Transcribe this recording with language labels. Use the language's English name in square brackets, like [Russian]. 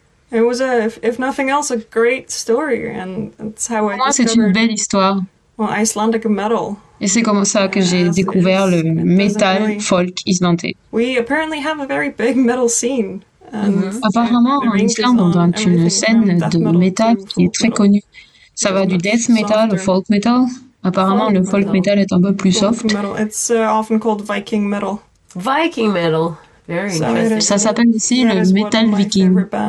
[English] It was a, if nothing else, a great story, and that's how I discovered. [French] C'est une belle histoire. [English] Well, Icelandic metal. [French] Et c'est comme ça que j'ai découvert le metal folk islandais. [English] We apparently have a very big metal scene. [French] Apparemment, en Islande, on a une scène de metal qui est très connue. Ça va du death metal au folk metal. Apparemment, le folk metal est un peu plus soft. [English] It's often called Viking metal. Viking metal. [French] Ça s'appelle ici le metal viking.